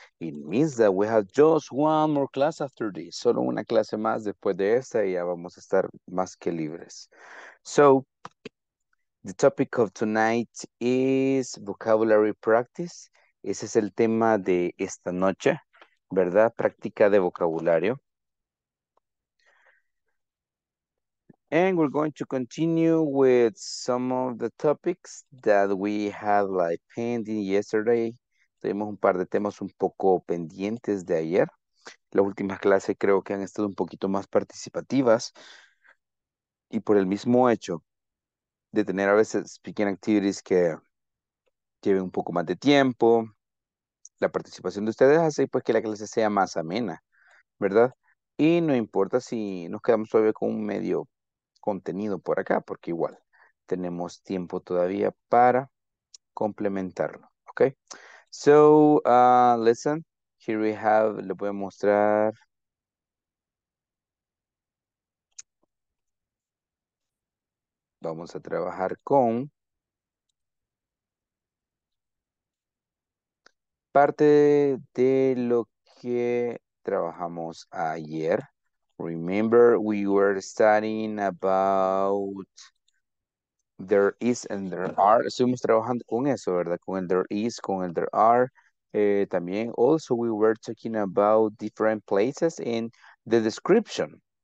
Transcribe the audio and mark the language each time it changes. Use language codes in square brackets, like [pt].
[en] It means that we have just one more class after this. [es] Solo una clase más después de esta y ya vamos a estar más que libres. [en] So, the topic of tonight is vocabulary practice. [es] Ese es el tema de esta noche, ¿verdad? Práctica de vocabulario. [en] And we're going to continue with some of the topics that we had like pending yesterday. [es] Tuvimos un par de temas un poco pendientes de ayer. Las últimas clases creo que han estado un poquito más participativas. Y por el mismo hecho de tener a veces [en] speaking activities [es] que lleven un poco más de tiempo, la participación de ustedes hace pues que la clase sea más amena, ¿verdad? Y no importa si nos quedamos todavía con un medio contenido por acá, porque igual tenemos tiempo todavía para complementarlo, ¿ok? [en] So, listen, here we have, [es] le voy a mostrar. Vamos a trabajar con parte de lo que trabajamos ayer. [en] Remember, we were studying about there is and there are. [es] Estuvimos trabajando con eso, ¿verdad? Con el there is, con el there are. También, [en] also, we were talking about different places in the description.